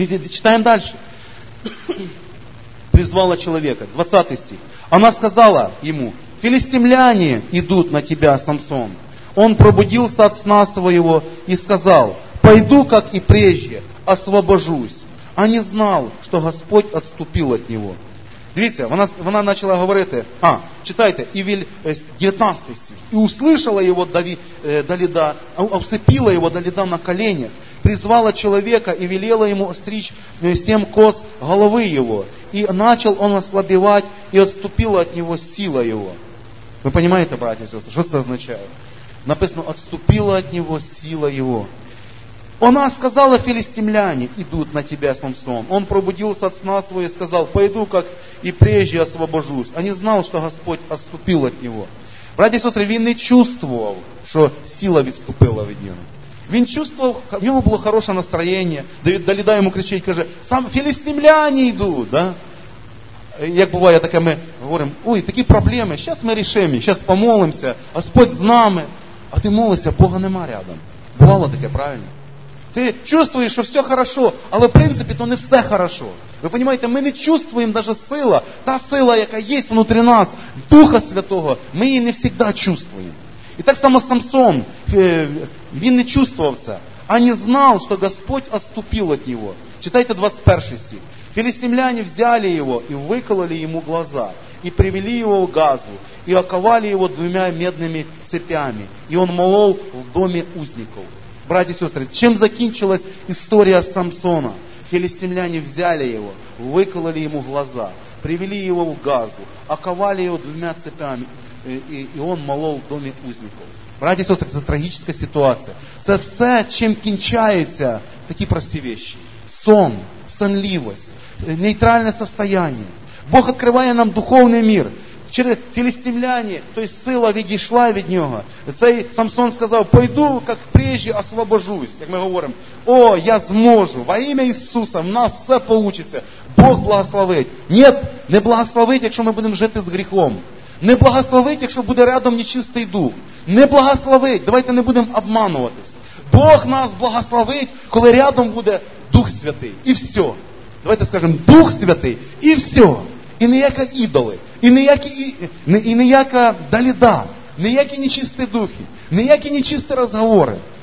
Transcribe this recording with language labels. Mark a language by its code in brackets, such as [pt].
[uk] Читаємо далі. Призвала чоловіка, 20 стих. Вона сказала йому, філістимляни йдуть на тебе, Самсон. [ru] Он пробудился от сна своего и сказал, «Пойду, как и прежде, освобожусь». А не знал, что Господь отступил от него. [uk] Дивіться, вона начала говорити, читайте, 19 стих. [ru] «И услышала его Далида, усыпила его Далида на коленях, призвала человека и велела ему стричь семь коз головы его. И начал он ослабевать, и отступила от него сила его». Ви понимаете, братья и сестры, что это означает? Написано, отступила от него сила его. Она сказала, филистимляне идут на тебя, Самсон. Он пробудился от сна своего и сказал, пойду, как и прежде освобожусь. А не знал, что Господь отступил от него. Братья и сестры, він не чувствовал, что сила відступила від нього. [uk] Він чувствовал, в нього було хороше настроєння. Даліда йому кричить, каже, [ru] сам филистимляне идут, [uk] да? Як буває таке, ми говоримо, ой, такі проблеми, зараз ми рішимо, зараз помолимося, Господь з нами. А ти молишся, Бога нема рядом. Бувало таке, правильно? Ти чувствуєш, що все хорошо, але в принципі то не все хорошо. Ви розумієте, ми не чувствуємо навіть сила, та сила, яка є внутрі нас, Духа Святого, ми її не завжди чувствуємо. І так само Самсон, він не чувствував це, а не знав, що Господь відступив від нього. Читайте 21 стих. [ru] Філістимляне взяли его и выкололи ему глаза. и привели его в Газу, и оковали его 2 медными цепями, и он молол в доме узников. Братья и сестры, чем закончилась история Самсона? Филистимляне взяли его, выкололи ему глаза, привели его в Газу, оковали его 2 цепями, и он молол в доме узников. Братья и сестры, это трагическая ситуация. Это все, чем кончаются такие простые вещи. Сон, сонливость, нейтральное состояние. Бог открывает нам духовный мир. Через филистимляне, то есть сила [uk] відійшла від нього. Цей Самсон сказав, [ru] пойду, как прежде освобожусь. Как мы говорим, о, я зможу, во имя Иисуса, у нас все получится. [uk] Бог благословить. Нет, не благословить, якщо ми будемо жити з гріхом. Не благословить, якщо буде рядом нечистий дух. Не благословить, давайте не будемо обманюватись. Бог нас благословить, коли рядом буде Дух Святий. І все. Давайте скажемо, Дух Святий, і все. І ніякі ідоли, і ніяка Даліда, ніякі нечисті духи, ніякі нечисті розговори.